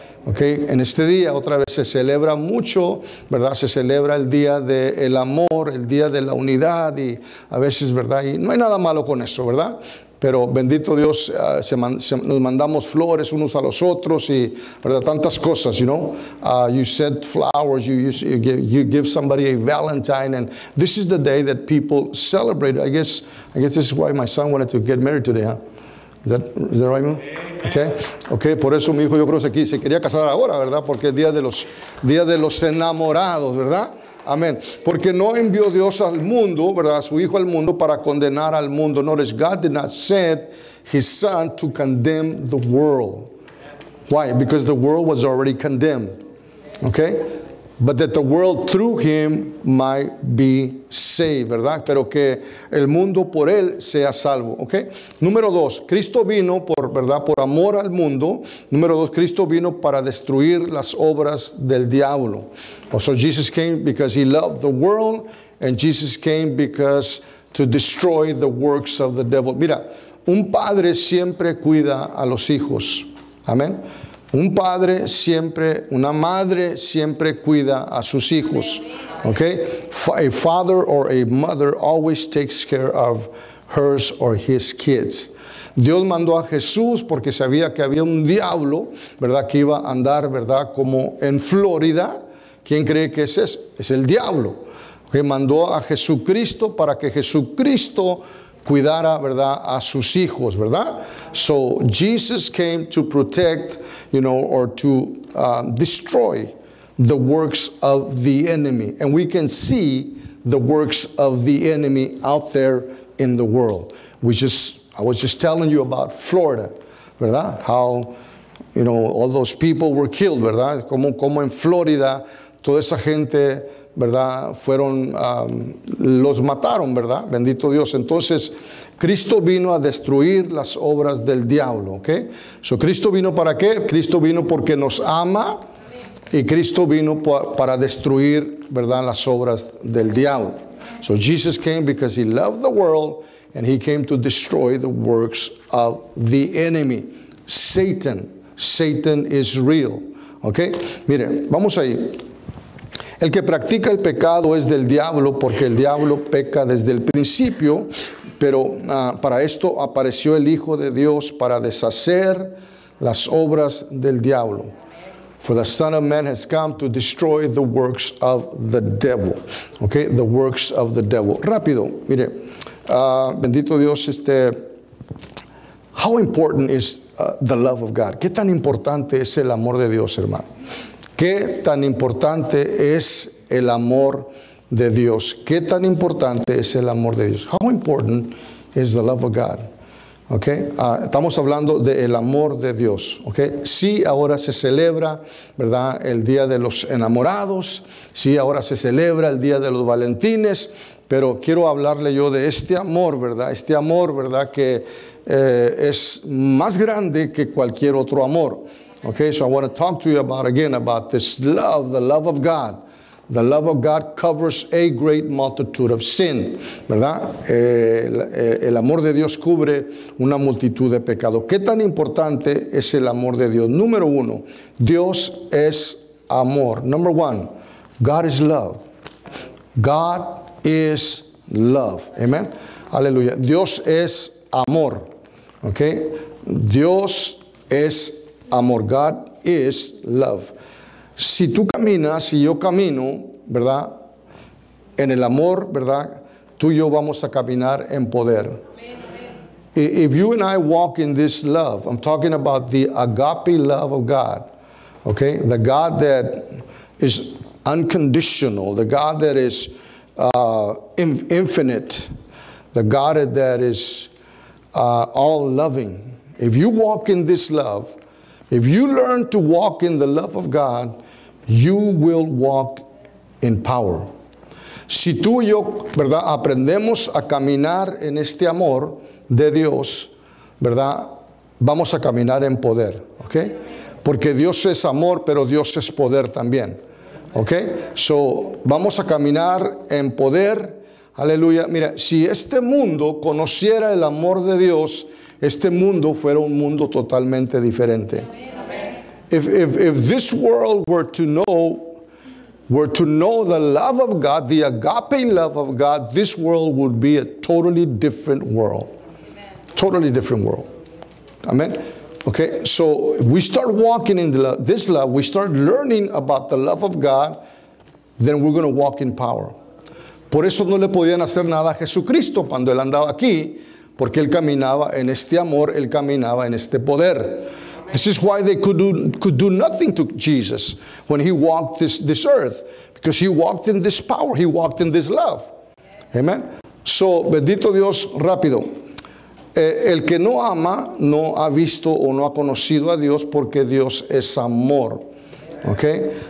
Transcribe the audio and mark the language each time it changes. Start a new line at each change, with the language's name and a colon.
Spanish: Okay, en este día otra vez se celebra mucho, ¿verdad? Se celebra el día del amor, el día de la unidad y a veces, ¿verdad? Y no hay nada malo con eso, ¿verdad? Pero bendito Dios, nos mandamos flores unos a los otros y, ¿verdad? Tantas cosas,
English: you know. You send flowers, you give somebody a Valentine, and this is the day that people celebrate. I guess this is why my son wanted to get married today, huh? Is that right, man? Okay.
Spanish: Por eso mi hijo, yo creo que se quería casar ahora, ¿verdad? Porque es día de los enamorados, ¿verdad? Amén. Porque no envió Dios al mundo, ¿verdad? Su hijo al mundo para condenar al mundo.
English: Notice, God did not send his son to condemn the world. Why? Because the world was already condemned. Okay. But that the world through him might be saved,
Spanish: ¿verdad? Pero que el mundo por él sea salvo, ¿ok? Número dos, Cristo vino por, ¿verdad? Por amor al mundo. Número dos, Cristo vino para destruir las obras del diablo.
English: So Jesus came because he loved the world, and Jesus came because to destroy the works of the devil.
Spanish: Mira, un padre siempre cuida a los hijos. Amén. Un padre siempre, una madre siempre cuida a sus hijos, ¿ok?
English: A father or a mother always takes care of hers or his kids.
Spanish: Dios mandó a Jesús porque sabía que había un diablo, ¿verdad? Que iba a andar, ¿verdad? Como en Florida. ¿Quién cree que es ese? Es el diablo. ¿Ok? Mandó a Jesucristo para que Jesucristo cuidara, ¿verdad?, a sus hijos, ¿verdad?
English: So Jesus came to protect, you know, or to destroy the works of the enemy. And we can see the works of the enemy out there in the world. I was just telling you about Florida,
Spanish: ¿verdad?
English: How, you know, all those people were killed,
Spanish: ¿verdad? Como en Florida, toda esa gente, ¿verdad? Fueron, los mataron, ¿verdad? Bendito Dios. Entonces, Cristo vino a destruir las obras del diablo, ¿ok? So, ¿Cristo vino para qué? Cristo vino porque nos ama. Y Cristo vino para destruir, ¿verdad?, las obras del diablo.
English: So, Jesus came because he loved the world, and he came to destroy the works of the enemy. Satan. Satan is real, ¿ok?
Spanish: Miren, vamos ahí. El que practica el pecado es del diablo, porque el diablo peca desde el principio, pero para esto apareció el Hijo de Dios para deshacer las obras del diablo.
English: For the Son of Man has come to destroy the works of the devil. Okay, the works of the devil.
Spanish: Rápido, mire, bendito Dios,
English: how important is the love of God?
Spanish: ¿Qué tan importante es el amor de Dios, hermano? ¿Qué tan importante es el amor de Dios? ¿Qué tan importante es el amor de Dios?
English: How important is the love of God?
Spanish: Okay, estamos hablando del amor de Dios. Okay, sí, ahora se celebra, ¿verdad?, el día de los enamorados. Sí, ahora se celebra el día de los Valentines. Pero quiero hablarle yo de este amor, ¿verdad? Este amor, ¿verdad?, que es más grande que cualquier otro amor. Okay, so I want to talk to you about this love, the love of God. The love of God covers a great multitude of sin, ¿verdad? El amor de Dios cubre una multitud de pecados. ¿Qué tan importante es el amor de Dios? Número uno, Dios es amor.
English: Number one, God is love. God is love. Amen. Aleluya.
Spanish: Dios es amor. Okay, Dios es amor.
English: Amor, God is love.
Spanish: Si tú caminas y yo camino, ¿verdad?, en el amor, ¿verdad?, tú y yo vamos a caminar en poder.
English: Amen. If you and I walk in this love, I'm talking about the agape love of God, Okay, the God that is unconditional, the God that is infinite, the God that is all-loving. If you walk in this love, if you learn to walk in the love of God, you will walk in power.
Spanish: Si tú y yo, ¿verdad?, aprendemos a caminar en este amor de Dios, ¿verdad?, vamos a caminar en poder, ¿ok? Porque Dios es amor, pero Dios es poder también, ¿ok? So, vamos a caminar en poder, aleluya. Mira, si este mundo conociera el amor de Dios, este mundo fuera un mundo totalmente diferente.
English: If this world were to know the love of God, the agape love of God, this world would be a totally different world. Amen. Totally different world. Amen. Okay, so if we start walking in this love, we start learning about the love of God, then we're going to walk in power.
Spanish: Por eso no le podían hacer nada a Jesucristo cuando él andaba aquí, porque él caminaba en este amor, él caminaba en este poder.
English: This is why they could do nothing to Jesus when he walked this earth, because he walked in this power, he walked in this love.
Spanish: Amen. So, bendito Dios, rápido. El que no ama no ha visto o no ha conocido a Dios, porque Dios es amor. Okay?